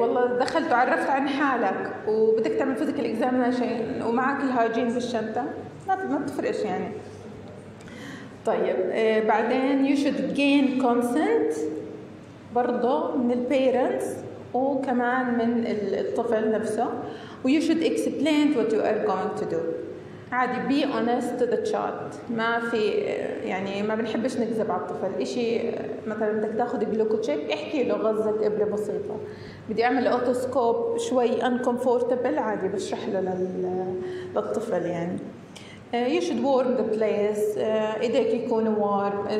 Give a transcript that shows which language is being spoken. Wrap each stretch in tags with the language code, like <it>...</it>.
<ar>والله دخلت وعرفت عن حالك وبدك تعمل physical examination ومعك الهاجين في الشنطة. ما تفرقش يعني. طيب بعدين</ar> <en>you should gain consent</en> <ar>برضو من البيرنتس وكمان من الطفل نفسه.</ar> <en>You should explain what you are going to do.</en> <ar>عادي</ar> <en>be honest to the child.</en> <ar>ما في يعني ما بنحبش نكذب على الطفل. إشي مثلا بدك تاخذ جلوكوتشيك احكي له غزة إبرة بسيطة. بدي أعمل أوتوسكوب شوي uncomfortable عادي بشرح له للطفل يعني.</ar> <en>You should warm the place.</en> <ar>إيديك يكون</ar> <en>warm.</en>